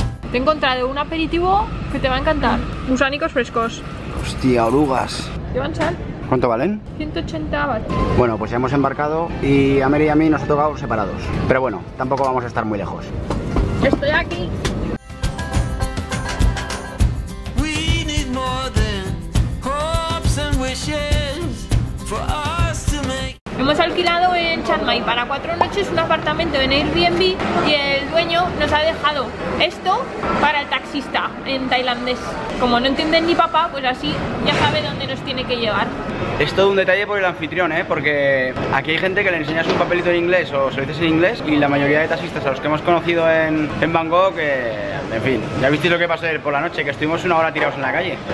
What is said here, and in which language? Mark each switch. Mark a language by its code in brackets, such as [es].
[es] Te he encontrado un aperitivo que te va a encantar. Gusánicos frescos. Hostia, orugas. ¿Llevan sal? ¿Cuánto valen? 180 baht. Bueno, pues ya hemos embarcado y a Mary y a mí nos ha tocado separados. Pero bueno, tampoco vamos a estar muy lejos. Estoy aquí. [en] We need more than hopes and wishes for us to make. [es] Hemos alquilado en Chiang Mai para 4 noches un apartamento en Airbnb y el dueño nos ha dejado esto para el taxista en tailandés. Como no entienden ni papá, pues así ya sabe dónde nos tiene que llevar. Es todo un detalle por el anfitrión, ¿eh? Porque aquí hay gente que le enseñas un papelito en inglés o se lo dices en inglés y la mayoría de taxistas a los que hemos conocido en Bangkok, en fin, ya visteis lo que pasó por la noche, que estuvimos una hora tirados en la calle.